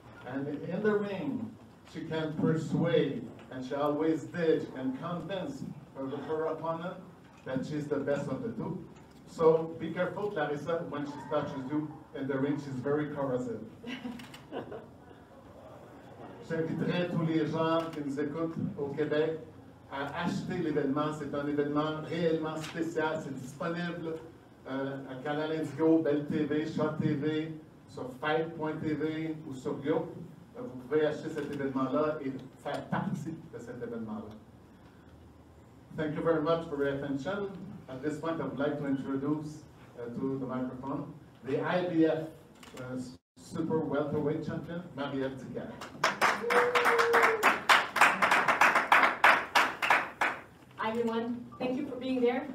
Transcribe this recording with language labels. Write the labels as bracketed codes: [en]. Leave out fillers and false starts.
[en] And in the ring, she can persuade, and she always did, and convince her opponent that she's the best of the two. So be careful, Claressa, when she touches you in the ring, she's very corrosive. [fr] J'inviterai tous les gens qui nous écoutent au Québec à acheter l'événement. C'est un événement réellement spécial. C'est disponible à Canal Indigo, Bell TV, Shaw TV, sur Fight.tv ou sur Yo. Vous pouvez acheter cet événement-là et faire partie de cet événement-là. [en] Thank you very much for your attention. At this point, I would like to introduce to the microphone the IBF Super Welterweight Champion, Marie-Eve Dicaire. Hi everyone, thank you for being there.